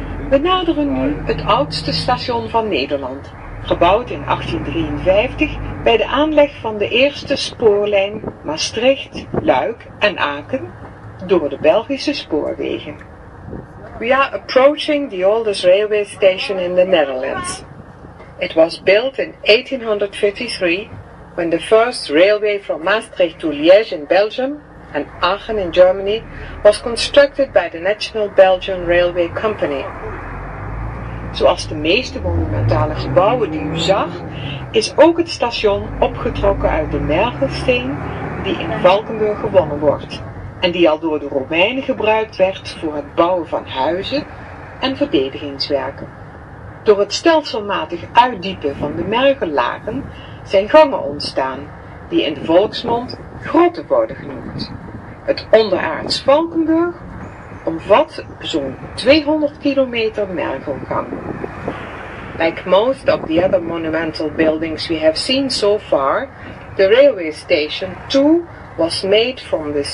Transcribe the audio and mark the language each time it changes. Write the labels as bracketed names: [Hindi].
[Dutch] We naderen nu het oudste station van Nederland. Gebouwd in 1853 bij de aanleg van de eerste spoorlijn Maastricht, Luik en Aken door de Belgische spoorwegen. [English] We are approaching the oldest railway station in the Netherlands. It was built in 1853 when the first railway from Maastricht to Liège in Belgium and Aachen in Germany was constructed by the National Belgian Railway Company. [Dutch] Zoals de meeste monumentale gebouwen die u zag, is ook het station opgetrokken uit de mergelsteen die in Valkenburg gewonnen wordt en die al door de Romeinen gebruikt werd voor het bouwen van huizen en verdedigingswerken. Door het stelselmatig uitdiepen van de mergellagen zijn gangen ontstaan die in de volksmond grotten worden genoemd. Het onderaards Valkenburg omvat zo'n 200 kilometer mergelgang. [English] Like most of the other monumental buildings we have seen so far, the railway station too was made from this